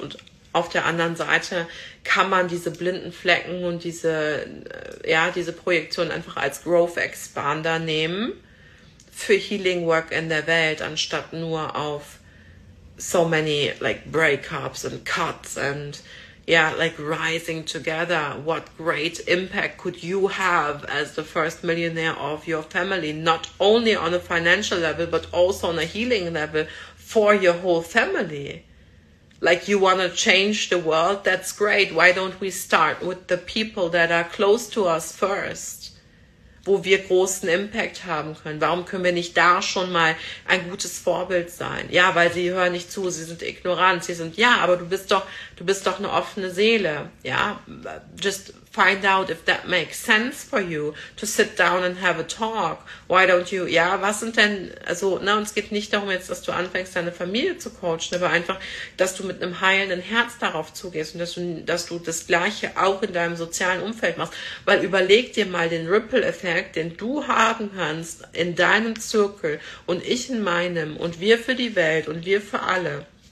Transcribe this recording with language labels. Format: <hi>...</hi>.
<de>Und auf der anderen Seite kann man diese blinden Flecken und diese Projektion einfach als Growth Expander nehmen für Healing Work in der Welt, anstatt nur auf</de> <en>so many like Breakups and Cuts and, yeah, like rising together. What great impact could you have as the first millionaire of your family? Not only on a financial level, but also on a healing level for your whole family. Like, you want to change the world? That's great. Why don't we start with the people that are close to us first?</en> <de>Wo wir großen Impact haben können. Warum können wir nicht da schon mal ein gutes Vorbild sein? Ja, weil sie hören nicht zu, sie sind ignorant, sie sind, ja, aber du bist doch eine offene Seele. Ja,</de> <en>just find out if that makes sense for you to sit down and have a talk. Why don't you,</en> <de>ja, was sind denn, also, na, und es geht nicht darum jetzt, dass du anfängst, deine Familie zu coachen, aber einfach, dass du mit einem heilenden Herz darauf zugehst und dass du das Gleiche auch in deinem sozialen Umfeld machst. Weil überleg dir mal den Ripple-Effekt, den du haben kannst in deinem Zirkel und ich in meinem und wir für die Welt und wir für alle.</de>